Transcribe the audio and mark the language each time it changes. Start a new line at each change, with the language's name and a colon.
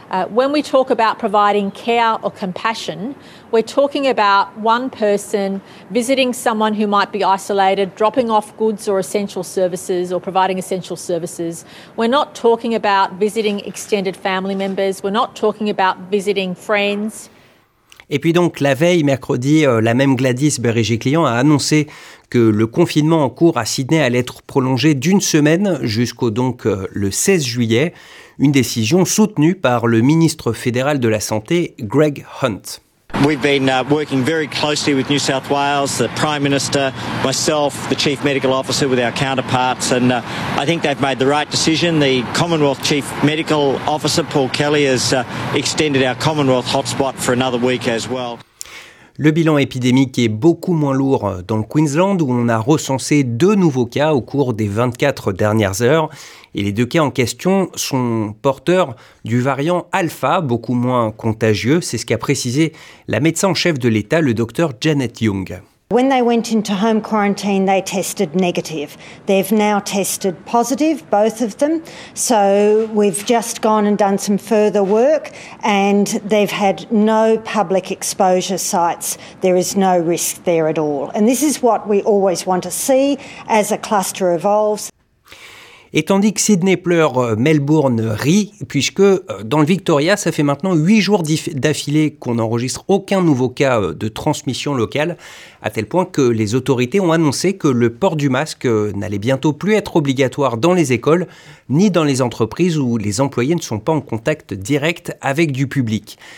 English: When we talk about providing care or compassion, we're talking about one person visiting someone who might be isolated, dropping off goods or essential services or providing essential services. We're not talking about visiting extended family members. We're not talking about visiting friends.
French: Et puis donc, la veille, mercredi, la même Gladys Bérégé-Client a annoncé que le confinement en cours à Sydney allait être prolongé d'une semaine jusqu'au donc le 16 juillet, une décision soutenue par le ministre fédéral de la Santé, Greg Hunt.
English: We've been working very closely with New South Wales, the Prime Minister, myself, the Chief Medical Officer with our counterparts, and I think they've made the right decision. The Commonwealth Chief Medical Officer, Paul Kelly, has extended our Commonwealth hotspot for another week as well.
French: Le bilan épidémique est beaucoup moins lourd dans le Queensland, où on a recensé 2 nouveaux cas au cours des 24 dernières heures. Et les 2 cas en question sont porteurs du variant Alpha, beaucoup moins contagieux. C'est ce qu'a précisé la médecin en chef de l'État, le docteur Janet Young.
English: When they went into home quarantine, they tested negative. They've now tested positive, both of them. So we've just gone and done some further work and they've had no public exposure sites. There is no risk there at all. And this is what we always want to see as a cluster evolves.
French: Et tandis que Sydney pleure, Melbourne rit, puisque dans le Victoria, ça fait maintenant 8 jours d'affilée qu'on n'enregistre aucun nouveau cas de transmission locale, à tel point que les autorités ont annoncé que le port du masque n'allait bientôt plus être obligatoire dans les écoles, ni dans les entreprises où les employés ne sont pas en contact direct avec du public.